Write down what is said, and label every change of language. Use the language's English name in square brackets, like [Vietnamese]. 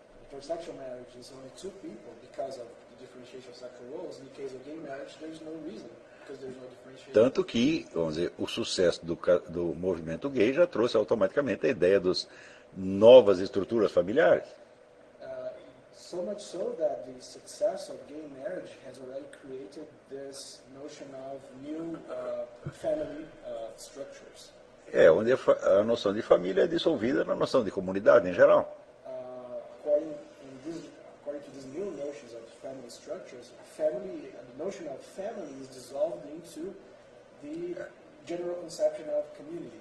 [English] Intersexual marriage is only two people because of the differentiation of sexual roles. In the case of gay marriage, there is no reason. [Portuguese] Tanto que, vamos dizer, o sucesso do movimento gay já trouxe automaticamente a ideia das novas estruturas familiares. [English] So much so that the success of gay marriage has already created this notion of new family structures. [Portuguese] É, onde a noção de família é dissolvida na noção de comunidade em geral. [English] According to these new notions of family structures, family, the notion of family is dissolved into the general conception of community.